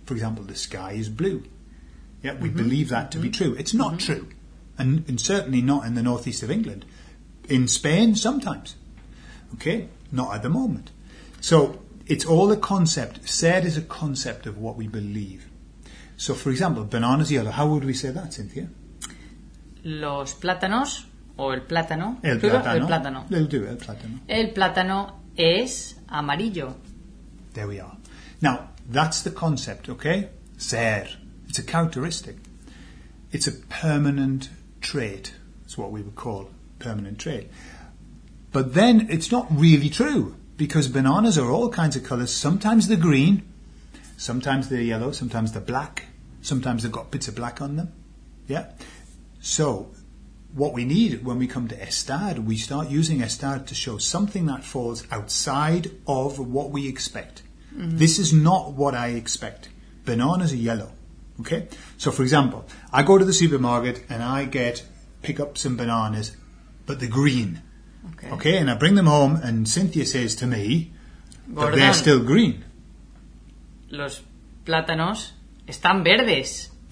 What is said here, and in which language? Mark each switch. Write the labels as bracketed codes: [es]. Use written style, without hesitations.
[en] For example, the sky is blue. Yeah, we believe that to be true. It's not true. And certainly not in the northeast of England. In Spain, sometimes. Okay? Not at the moment. So, it's all a concept. Ser is a concept of what we believe. So, for example, bananas yellow. How would we say that, Cynthia? [es] Los plátanos, o el plátano. El plátano. El plátano. [en] They'll do el plátano. [es] El plátano es amarillo. [en] There we are. Now, that's the concept, okay? Ser. It's a characteristic. It's a permanent trait. It's what we would call permanent trait. But then it's not really true, because bananas are all kinds of colours. Sometimes they're green, sometimes they're yellow, sometimes they're black, sometimes they've got bits of black on them. Yeah? So what we need when we come to estar, we start using estar to show something that falls outside of what we expect. Mm-hmm. This is not what I expect. Bananas are yellow. Okay, so for example, I go to the supermarket and I pick up some bananas, but they're green. Okay. Okay, and I bring them home, and Cynthia says to me, Gordon, that they're still green. [es] Los plátanos están verdes.